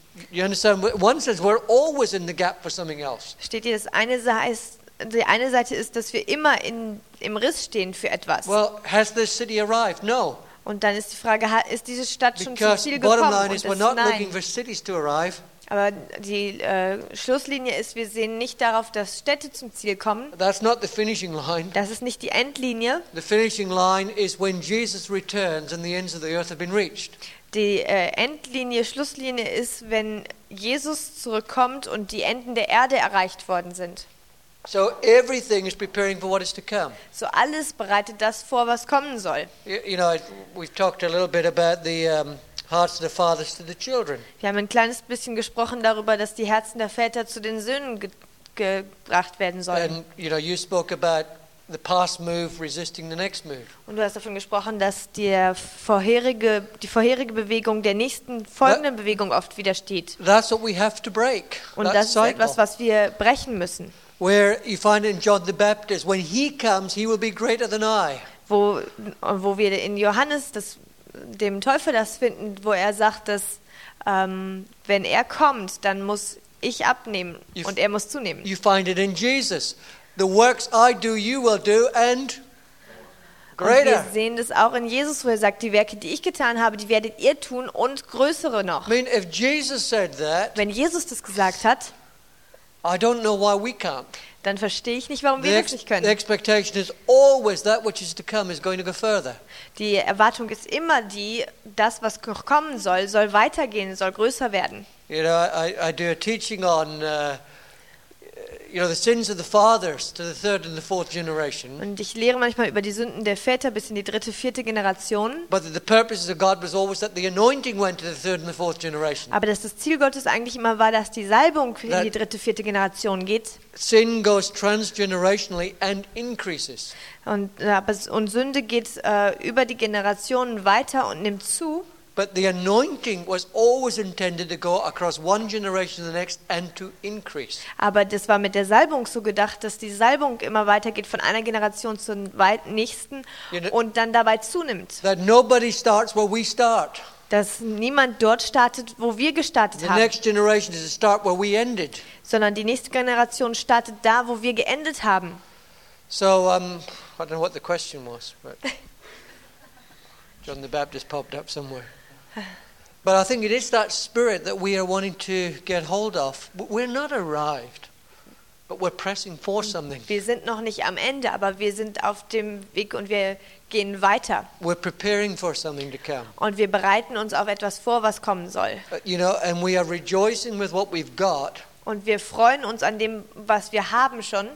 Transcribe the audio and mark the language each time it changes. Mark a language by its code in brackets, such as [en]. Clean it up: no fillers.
[en] You understand? One says we're always in the gap for something else. [de] Steht ihr, das eine heißt, die eine Seite ist, dass wir immer im Riss stehen für etwas. [en] Well, has this city arrived? No. [de] Und dann ist die Frage, ist diese Stadt schon zum Ziel gekommen? [en] Line is, we're not looking for cities to arrive. [de] Aber die Schlusslinie ist, wir sehen nicht darauf, dass Städte zum Ziel kommen. [en] That's not the finishing line. [de] Das ist nicht die Endlinie. [en] The finishing line is when Jesus returns and the ends of the earth have been reached. [de] Die Endlinie, Schlusslinie ist, wenn Jesus zurückkommt und die Enden der Erde erreicht worden sind. [en] So everything is preparing for what is to come. [de] So alles bereitet das vor, was kommen soll. [en] You know, we've talked a little bit about the hearts of the fathers to the children. [de] Wir haben ein kleines bisschen gesprochen darüber, dass die Herzen der Väter zu den Söhnen gebracht werden sollen. [en] And you know, you spoke about the past move resisting the next move. [de] Und du hast davon gesprochen, dass die vorherige Bewegung der nächsten folgenden Bewegung oft widersteht. [en] That's what we have to break. [de] Und das ist etwas, was wir brechen müssen. [en] Where you find in John the Baptist, when he comes, he will be greater than I. [de] Wo wir in Johannes das dem Teufel das finden, wo er sagt, dass wenn er kommt, dann muss ich abnehmen und er muss zunehmen. [en] You find it in Jesus. The works I do, you will do, and greater. [de] Und wir sehen das auch in Jesus, wo er sagt, die Werke, die ich getan habe, die werdet ihr tun und größere noch. [en] I mean, if Jesus said that, [de] wenn Jesus das gesagt hat. [en] I don't know why we can't. [de] dann verstehe ich nicht, warum wir das nicht können. [en] The expectation is always that which is to come is going to go further. [de] Die Erwartung ist immer die, das, was noch kommen soll, soll weitergehen, soll größer werden. [en] You know, I do a teaching on you know, the sins of the fathers to the third and the fourth generation. [de] Und ich lehre manchmal über die Sünden der Väter bis in die dritte, vierte Generation. [en] But the purposes of God was always that the anointing went to the third and the fourth generation. [de] Aber dass das Ziel Gottes eigentlich immer war, dass die Salbung in die dritte, vierte Generation geht. [en] Sin goes transgenerationally and increases. [de] Und Sünde geht über die Generationen weiter und nimmt zu. [en] But the anointing was always intended to go across one generation to the next and to increase. [de] Aber das war mit der Salbung so gedacht, dass die Salbung immer weitergeht von einer Generation zur nächsten und dann dabei zunimmt. [en] That nobody starts where we start. [de] Dass niemand dort startet, wo wir gestartet haben. [en] The next generation is to start where we ended. [de] Sondern die nächste Generation startet da, wo wir geendet haben. [en] So I don't know what the question was, but John the Baptist popped up somewhere. But I think it is that spirit that we are wanting to get hold of. We're not arrived, but we're pressing for something. [de] Wir sind noch nicht am Ende, aber wir sind auf dem Weg und wir gehen weiter. [en] We're preparing for something to come. [de] Und wir bereiten uns auf etwas vor, was kommen soll. [en] You know, and we are rejoicing with what we've got. [de] Und wir freuen uns an dem, was wir haben schon.